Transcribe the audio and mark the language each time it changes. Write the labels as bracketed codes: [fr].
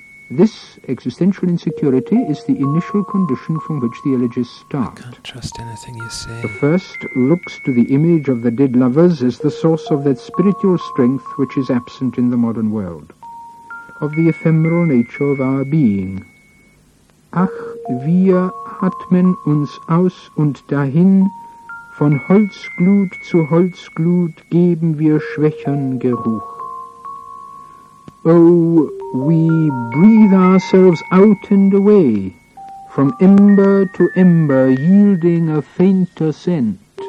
[en] This existential insecurity is the initial condition from which the elegists start. I can't trust anything you say. The first looks to the image of the dead lovers as the source of that spiritual strength which is absent in the modern world. Of the ephemeral nature of our being. [de] Ach, wir atmen uns aus und dahin, von Holzglut zu Holzglut geben wir schwächern Geruch. [en] Oh, we breathe ourselves out and away, from ember to ember yielding a fainter scent.